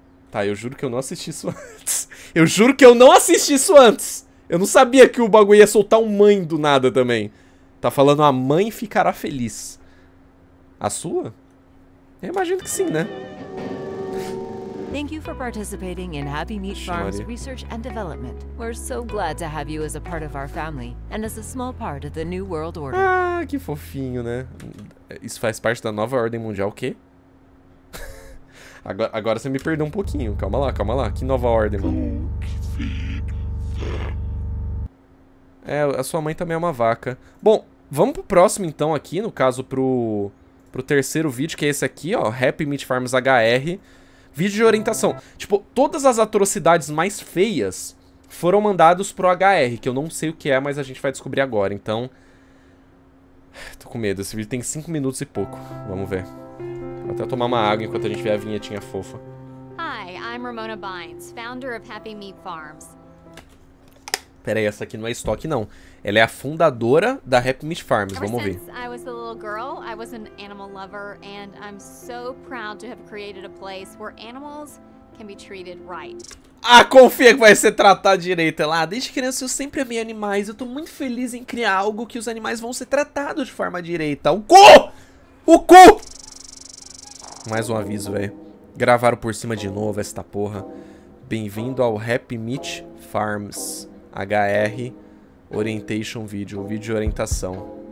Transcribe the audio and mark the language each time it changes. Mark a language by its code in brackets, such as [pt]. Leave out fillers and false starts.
[pt] Tá, eu juro que eu não assisti isso antes. Eu juro que eu não assisti isso antes. Eu não sabia que o bagulho ia soltar um mãe do nada também. Tá falando a mãe ficará feliz. A sua? Eu imagino que sim, né? [en] Thank you for participating in Happy Meat [pt] Vixe, [en] Farms [pt] Maria. [en] research and development. We're so glad to have you as a part of our family and as a small part of the new world order. [pt] Ah, que fofinho, né? Isso faz parte da nova ordem mundial, o quê? Agora você me perdeu um pouquinho. Calma lá, que nova ordem, mano. É, a sua mãe também é uma vaca. Bom, vamos pro próximo então aqui, no caso pro terceiro vídeo, que é esse aqui, ó, Happy Meat Farms HR. Vídeo de orientação. Tipo, todas as atrocidades mais feias foram mandadas pro HR, que eu não sei o que é, mas a gente vai descobrir agora. Então, tô com medo. Esse vídeo tem 5 minutos e pouco. Vamos ver. Até tomar uma água enquanto a gente vê a vinhetinha fofa. [en] I'm Ramona Bynes, founder of Happy Meat Farms. [pt] Pera aí, essa aqui não é estoque, não. Ela é a fundadora da Happy Meat Farms. [en] Ever [pt] Vamos ver. [en] since I was a little girl, I was an animal lover, and I'm so proud to have created a place where animals can be treated right. [pt] Ah, confia que vai ser tratado direito. Lá, desde criança eu sempre amei animais. Eu tô muito feliz em criar algo que os animais vão ser tratados de forma direita. O cu! O cu! Mais um aviso, velho. Gravaram por cima de novo esta porra. Bem-vindo ao Happy Meat Farms HR [en] Orientation Video, [pt] vídeo de orientação.